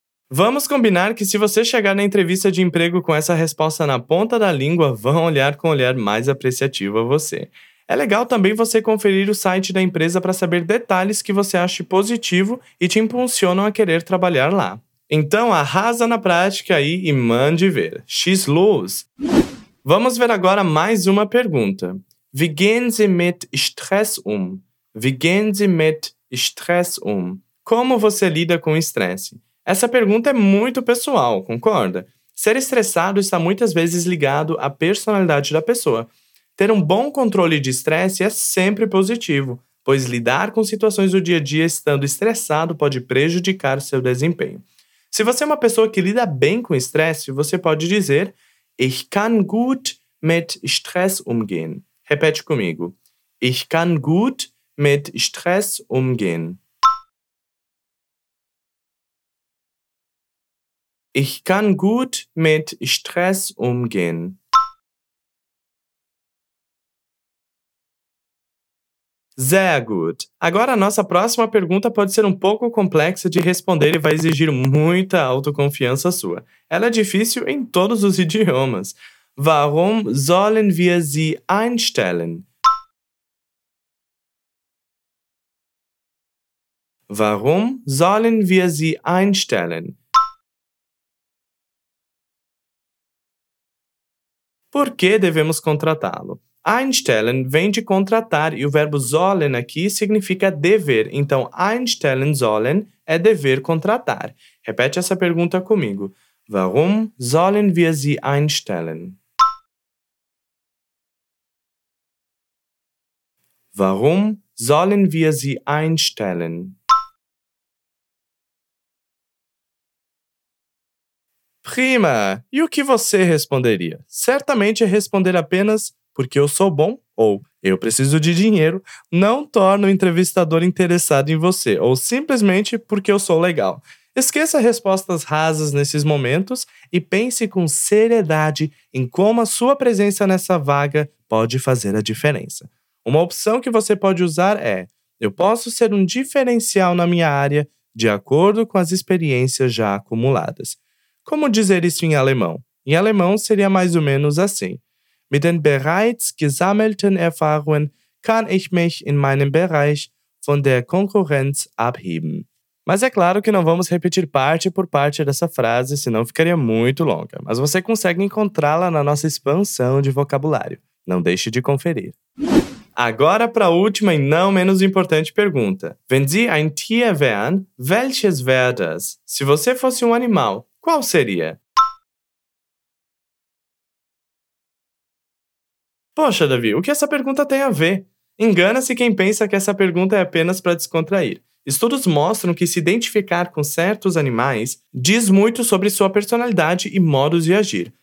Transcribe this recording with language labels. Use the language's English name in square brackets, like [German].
[Portuguese] Vamos combinar que se você chegar na entrevista de emprego com essa resposta na ponta da língua, vão olhar com um olhar mais apreciativo a você. É legal também você conferir o site da empresa para saber detalhes que você ache positivo e te impulsionam a querer trabalhar lá. Então, arrasa na prática aí e mande ver. [German] Schieß los! [Portuguese] Vamos ver agora mais uma pergunta. [German] Wie gehen Sie mit Stress um? Wie gehen Sie mit Stress um? [Portuguese] Como você lida com estresse? Essa pergunta é muito pessoal, concorda? Ser estressado está muitas vezes ligado à personalidade da pessoa. Ter um bom controle de estresse é sempre positivo, pois lidar com situações do dia a dia estando estressado pode prejudicar seu desempenho. Se você é uma pessoa que lida bem com estresse, você pode dizer [German] Ich kann gut mit Stress umgehen. [Portuguese] Repete comigo. [German] Ich kann gut mit Stress umgehen. Ich kann gut mit Stress umgehen. Sehr gut. [Portuguese] Agora, a nossa próxima pergunta pode ser um pouco complexa de responder e vai exigir muita autoconfiança sua. Ela é difícil em todos os idiomas. [German] Warum sollen wir sie einstellen? Warum sollen wir sie einstellen? [Portuguese] Por que devemos contratá-lo? Einstellen vem de contratar e o verbo sollen aqui significa dever. Então, [German] einstellen sollen [Portuguese] é dever contratar. Repete essa pergunta comigo. [German] Warum sollen wir sie einstellen? Warum sollen wir sie einstellen? Prima! [Portuguese] E o que você responderia? Certamente é responder apenas porque eu sou bom ou eu preciso de dinheiro não torna o entrevistador interessado em você ou simplesmente porque eu sou legal. Esqueça respostas rasas nesses momentos e pense com seriedade em como a sua presença nessa vaga pode fazer a diferença. Uma opção que você pode usar é eu posso ser um diferencial na minha área de acordo com as experiências já acumuladas. Como dizer isso em alemão? Em alemão seria mais ou menos assim. [German] Mit den bereits gesammelten Erfahrungen kann ich mich in meinem Bereich von der Konkurrenz abheben. [Portuguese] Mas é claro que não vamos repetir parte por parte dessa frase, senão ficaria muito longa. Mas você consegue encontrá-la na nossa expansão de vocabulário. Não deixe de conferir. Agora para a última e não menos importante pergunta. [German] Wenn Sie ein Tier wären, welches wäre das? [Portuguese] Se você fosse um animal, qual seria? Poxa, Davi, o que essa pergunta tem a ver? Engana-se quem pensa que essa pergunta é apenas para descontrair. Estudos mostram que se identificar com certos animais diz muito sobre sua personalidade e modos de agir.